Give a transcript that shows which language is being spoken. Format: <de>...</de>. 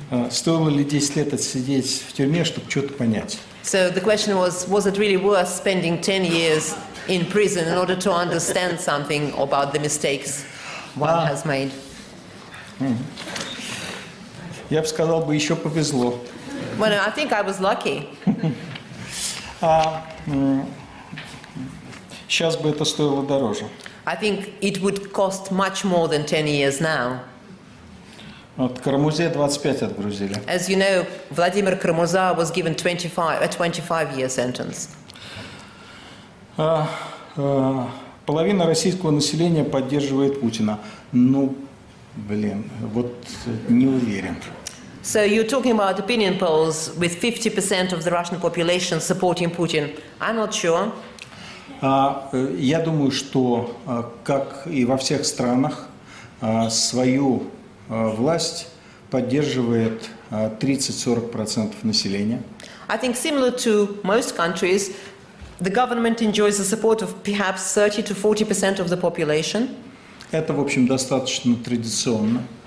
<ru>Стоило ли 10 лет сидеть в тюрьме, чтобы что-то понять?</ru> <en>So the question was it really worth spending 10 years in prison in order to understand something about the mistakes one has made?</en> <ru>Я бы сказал, бы еще повезло.</ru> <en>Well, I think I was lucky.</en> <ru>Сейчас бы это стоило дороже.</ru> <en>I think it would cost much more than 10 years now.</en> <ru>Вот Карамурзе 25 отгрузили.</ru> <en>As you know, Vladimir Karamurza was given a 25-year sentence.</en> <ru>Половина российского населения поддерживает Путина. Ну, блин, вот не уверен.</ru> <en>So you're talking about opinion polls with 50% of the Russian population supporting Putin. I'm not sure.</en> <ru>Я думаю, что как и во всех странах свою власть поддерживает 30-40% населения.</ru> <en>I think similar to most countries, the government enjoys the support of perhaps 30-40% of the population.</en> <ru>Это, в общем, достаточно традиционно.</ru>